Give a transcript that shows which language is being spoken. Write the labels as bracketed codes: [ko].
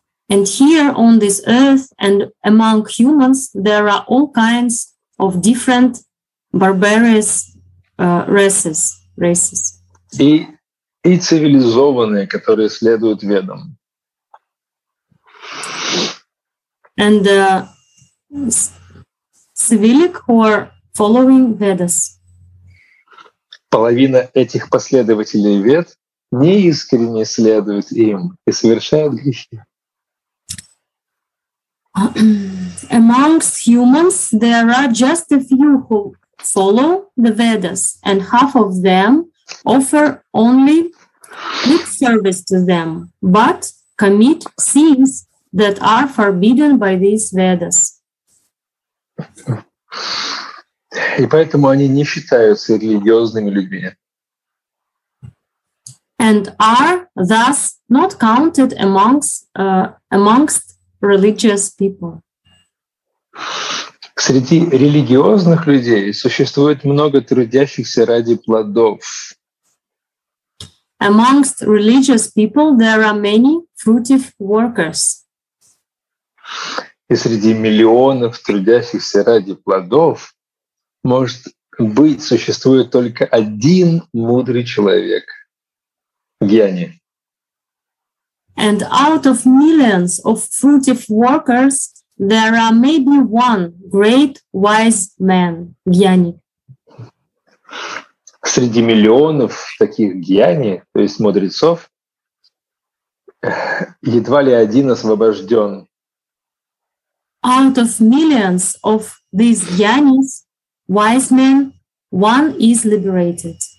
[en] And here on this earth and among humans there are all kinds of different barbarous races. [ru] И цивилизованные, которые следуют ведам. [en] And civilic who are following Vedas. [ru] Половина этих последователей вед неискренне следует им и совершает грехи. [en] Amongst humans there are just a few who follow the Vedas, and half of them offer only lip service to them, but commit sins that are forbidden by these Vedas. [ru] И поэтому они не считаются религиозными людьми. [en] And are thus not counted amongst religious people. [ru] Среди религиозных людей существует много трудящихся ради плодов. [en] Amongst religious people there are many fruitive workers. [ru] И среди миллионов трудящихся ради плодов может быть существует только один мудрый человек. Гьяни. [en] And out of millions of fruitive workers there are maybe one great wise man. [ru] Гьяни. Среди миллионов таких гьяни, то есть мудрецов, едва ли один освобожден. [en] Out of millions of these gyanis, wise men, one is liberated.